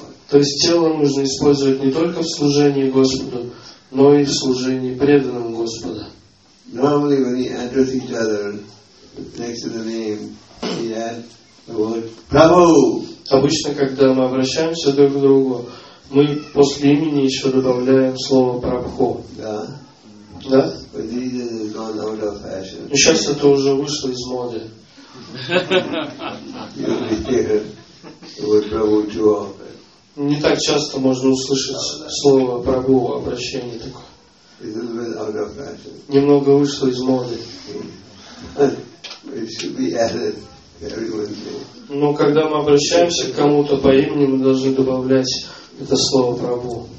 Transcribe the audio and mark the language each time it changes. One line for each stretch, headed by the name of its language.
Russian: То есть тело нужно использовать не только в служении Господу, но и в служении преданным Господа.
English: Normally, when you address each other, next to the name, he adds the word Prabhu.
Russian: Обычно, когда мы обращаемся друг к другу, мы после имени еще добавляем слово Прабху.
English: Да. But this has gone out of fashion.
Russian: И сейчас это уже вышло из моды.
English: You don't hear the word Prabhu too often.
Russian: Не так часто можно услышать слово Прабху, обращение такое.
English: It's a little bit out of fashion.
Russian: Немного вышло из моды.
English: It should be added to everyone's name.
Russian: Но когда мы обращаемся к кому-то по имени, мы должны добавлять это слово Прабху.